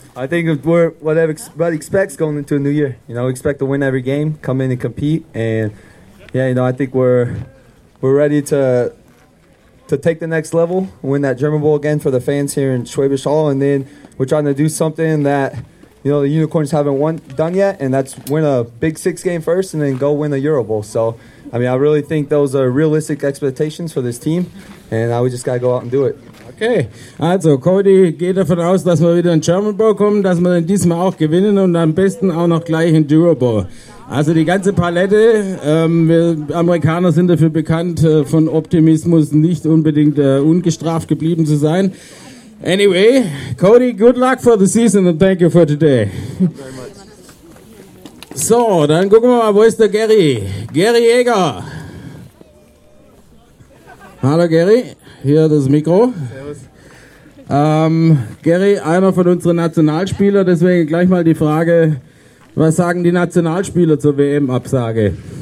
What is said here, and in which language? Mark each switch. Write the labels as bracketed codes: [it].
[en] I think we're what everybody expects going into a new year. You know, we expect to win every game, come in and compete, and yeah, you know, I think we're ready to take the next level, win that German Bowl again for the fans here in Schwäbisch Hall, and then we're trying to do something that, you know, the Unicorns haven't done yet, and that's win a Big Six game first and then go win the Euro Bowl. So, I mean, I really think those are realistic expectations for this team, and now we just got to go out and do it. [de] Okay, also Cody geht davon aus, dass wir wieder in German Bowl kommen, dass wir dann diesmal auch gewinnen und am besten auch noch gleich in Euro Bowl. Also die ganze Palette, wir Amerikaner sind dafür bekannt, von Optimismus nicht unbedingt ungestraft geblieben zu sein. [en] Anyway, Cody, good luck for the season and thank you for today. [de] So, dann gucken wir mal, wo ist der Gary? Gary Jäger. Hallo Gary, hier das Mikro. Servus. Gary, einer von unseren Nationalspielern, deswegen gleich mal die Frage, was sagen die Nationalspieler zur WM-Absage?